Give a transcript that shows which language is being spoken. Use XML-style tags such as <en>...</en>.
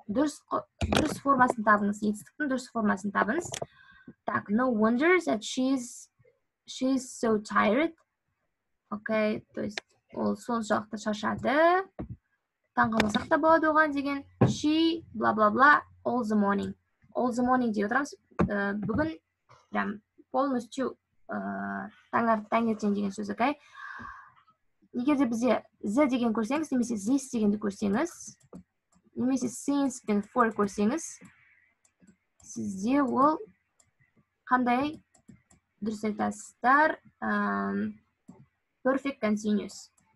<kk>Дұрыс формасын табыңыз. Етістіктің дұрыс формасын табыңыз.</kk> <en>Так, no wonder that she's so tired.</en> <ru>Окей, то есть</ru> <kk>ол соншалықты шаршады. Таңғалмасақ та болады оған деген.</kk> <en>She, бла-бла-бла, all the morning. All the morning</en> <kk>дей отырамыз. Бүгін</kk> <ru>прям полностью</ru> <kk>таңертең деген сөз, окей? Егер де бізде Z деген көрсеңіз, немесе this дегенді көрсеңіз, немесе since пен for көрсеңіз, сізде ол қандай дұрыс айтасыздар perfect continuous.</kk>